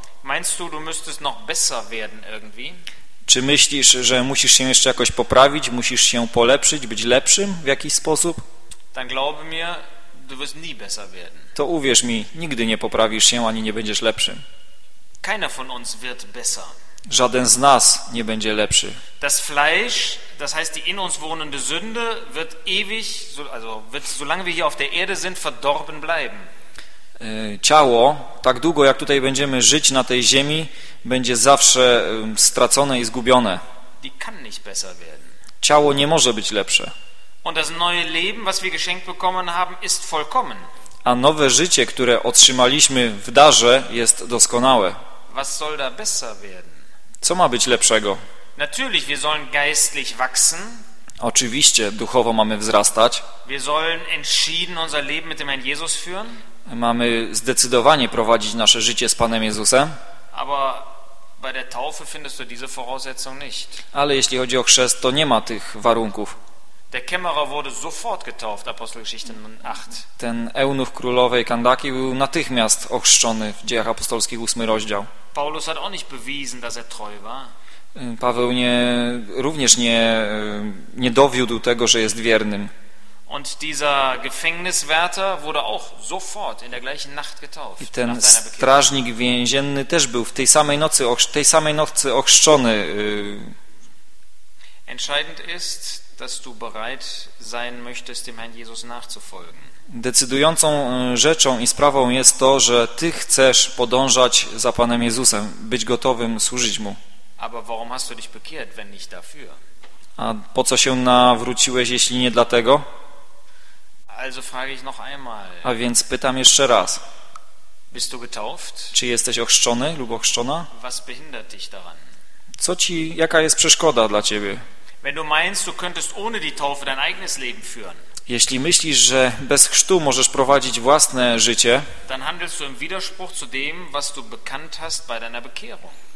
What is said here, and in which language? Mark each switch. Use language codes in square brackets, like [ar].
[de] Meinst du müsstest noch besser werden irgendwie? [pl] Czy myślisz, że musisz się jeszcze jakoś poprawić, musisz się polepszyć, być lepszym w jakiś sposób? [de] Dann glaub mir, du wirst nie besser werden. [pl] To uwierz mi, nigdy nie poprawisz się ani nie będziesz lepszym. [de] Keiner von uns wird besser. [pl] Żaden z nas nie będzie lepszy. [de] Das Fleisch, das heißt die in uns wohnende Sünde, wird ewig, also wird solange wir hier auf der Erde sind, verdorben bleiben. [pl] Ciało, tak długo jak tutaj będziemy żyć na tej ziemi, będzie zawsze stracone i zgubione. [de] Die kann nicht besser werden. [pl] Ciało nie może być lepsze. [de] Und das neue Leben, was wir geschenkt bekommen haben, ist vollkommen. [pl] A nowe życie, które otrzymaliśmy w darze, jest doskonałe. [de] Was soll da besser werden? [pl] Co ma być lepszego? [de] Natürlich, wir sollen geistlich wachsen. [pl] Oczywiście, duchowo mamy wzrastać. [de] Wir sollen entschieden unser Leben mit dem Herrn Jesus führen. [pl] Mamy zdecydowanie prowadzić nasze życie z Panem Jezusem. [de] Aber bei der Taufe findest du diese Voraussetzung nicht. [pl] Ale jeśli chodzi o chrzest, to nie ma tych warunków. [de] Der Kämmerer wurde sofort getauft, Apostelgeschichte 8. [pl] Ten eunuch królowej Kandaki był natychmiast ochrzczony w Dziejach Apostolskich 8 rozdział. [de] Paulus hat auch nicht bewiesen, dass er treu war. [pl] Paweł również nie dowiódł tego, że jest wiernym. [de] Und dieser Gefängniswärter wurde auch sofort in der gleichen Nacht getauft. [pl] I ten strażnik więzienny też był w tej samej nocy ochrzczony. [de] Entscheidend ist, dass du bereit sein möchtest, dem Herrn Jesus nachzufolgen. [pl] Decydującą rzeczą i sprawą jest to, że ty chcesz podążać za Panem Jezusem, być gotowym służyć mu. [de] Aber warum hast du dich bekehrt, wenn nicht dafür? [pl] A po co się nawróciłeś, jeśli nie dlatego? [de] Also frage ich noch einmal. [pl] A więc pytam jeszcze raz. [de] Bist du getauft? [pl] Czy jesteś ochrzczony lub ochrzczona? [de] Was behindert dich daran? [pl] Co ci, jaka jest przeszkoda dla ciebie? [de] Wenn du meinst, du könntest ohne die Taufe dein eigenes Leben führen. [pl] Jeśli myślisz, że bez chrztu możesz prowadzić własne życie, [de] dann handelst du im Widerspruch zu dem, was du bekannt hast bei deiner Bekehrung.